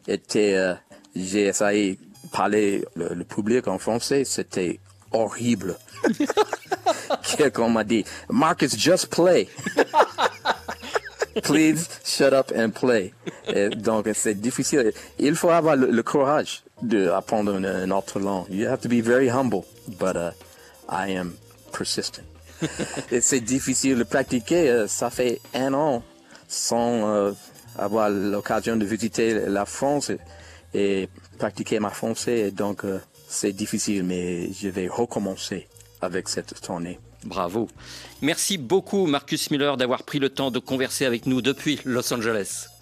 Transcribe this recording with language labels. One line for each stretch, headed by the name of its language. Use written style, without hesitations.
French: Était, j'ai essayé de parler le public en français, c'était horrible. Quelqu'un m'a dit,
English: Marcus, just play. Please shut up and play.
French: Et donc c'est difficile. Il faut avoir le courage d'apprendre une autre langue.
English: You have to be very humble, but I am persistent.
French: Et c'est difficile de pratiquer. Ça fait un an sans avoir l'occasion de visiter la France et pratiquer ma français. Et donc c'est difficile, mais je vais recommencer avec cette tournée. Bravo. Merci beaucoup, Marcus Miller, d'avoir pris le temps de converser avec nous depuis Los Angeles.